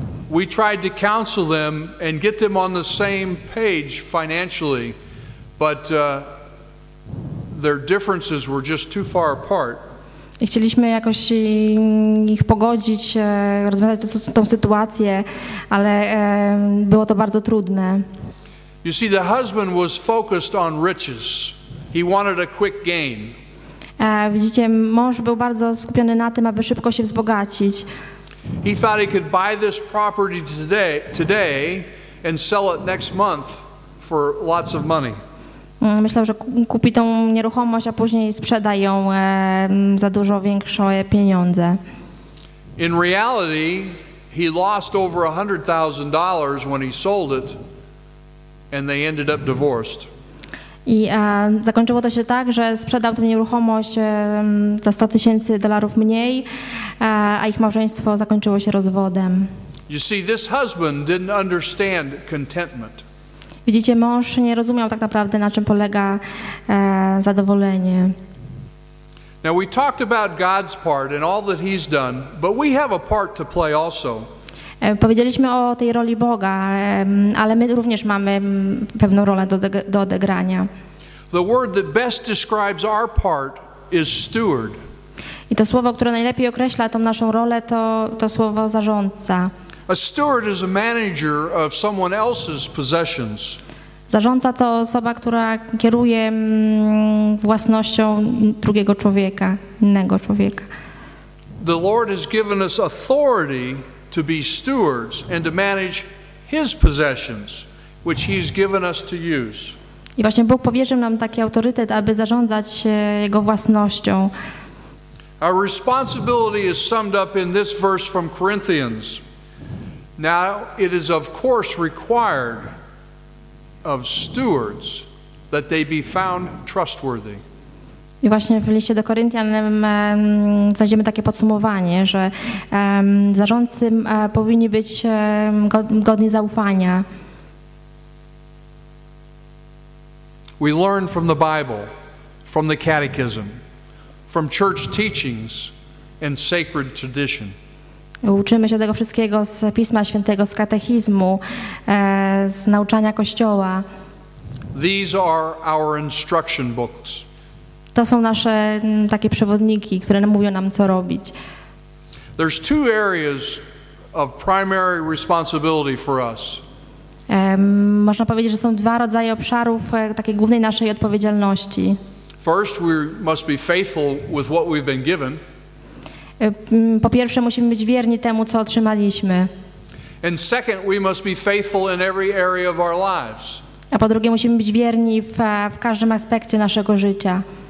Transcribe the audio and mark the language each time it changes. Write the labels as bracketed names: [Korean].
[English] We tried to counsel them and get them on the same page financially, but their differences were just too far apart. [Polish] I chcieliśmy jakoś ich pogodzić, rozwiązać tą sytuację, ale było to bardzo trudne. [English] You see, the husband was focused on riches. He wanted a quick gain. [Polish] Widzicie, mąż był bardzo skupiony na tym, aby szybko się wzbogacić. [English] He thought he could buy this property today and sell it next month for lots of money. [Polish] Myślał, że kupi tą nieruchomość, a później sprzeda ją za dużo większe pieniądze. [English] In reality, he lost over $100,000 when he sold it, and they ended up divorced. [Polish] I zakończyło to się tak, że sprzedał tę nieruchomość za $100,000 mniej, a ich małżeństwo zakończyło się rozwodem. [English] You see, this husband didn't understand contentment. [Polish] Widzicie, mąż nie rozumiał tak naprawdę, na czym polega zadowolenie. [English] Now we talked about God's part and all that he's done, but we have a part to play also. [Polish] Powiedzieliśmy o tej roli Boga, ale my również mamy pewną rolę do odegrania. [English] The word that best describes our part is steward. [Polish] I to słowo, które najlepiej określa tą naszą rolę, to słowo zarządca. [English] A steward is a manager of someone else's possessions. [Polish] Zarządca to osoba, która kieruje własnością drugiego człowieka, innego człowieka. [English] The Lord has given us authority to be stewards and to manage his possessions, which he's given us to use. [Polish] I właśnie Bóg powierzył nam taki autorytet, aby zarządzać jego własnością. [English] Our responsibility is summed up in this verse from Corinthians. Now it is of course required of stewards that they be found trustworthy. [Polish] I właśnie w liście do Koryntian znajdziemy takie podsumowanie, że zarządcy powinni być godni zaufania. [English] We learn from the Bible, from the catechism, from church teachings and sacred tradition. [Polish] Uczymy się tego wszystkiego z Pisma Świętego, z katechizmu, z nauczania Kościoła. [English] These are our instruction books. [Polish] To są nasze takie przewodniki, które mówią nam, co robić. [English] There's two areas of primary responsibility for us. [Polish] Można powiedzieć, że są dwa rodzaje obszarów takiej głównej naszej odpowiedzialności. [English] First, we must be faithful with what we've been given. [Polish] Po pierwsze, musimy być wierni temu, co otrzymaliśmy. [English] And second, we must be faithful in every area of our lives. [Polish] A po drugie, musimy być wierni w każdym aspekcie naszego życia.